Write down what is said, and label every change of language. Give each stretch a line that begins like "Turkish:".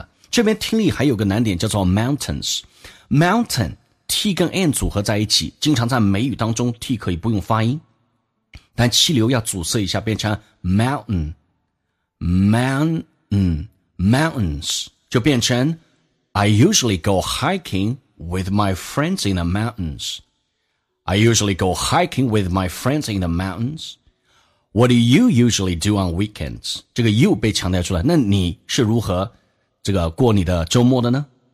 Chinese: 这边听力还有个难点叫做 mountains， mountain t 跟 n 组合在一起，经常在美语当中 t 可以不用发音，但气流要阻塞一下变成 mountains， 就变成
English: I usually go hikingwith my friends in the mountains. I usually go hiking with my friends in the mountains. What do you usually do on weekends?
Chinese: 这个 you 被强调出来，那你是如何这个过你的周末的呢？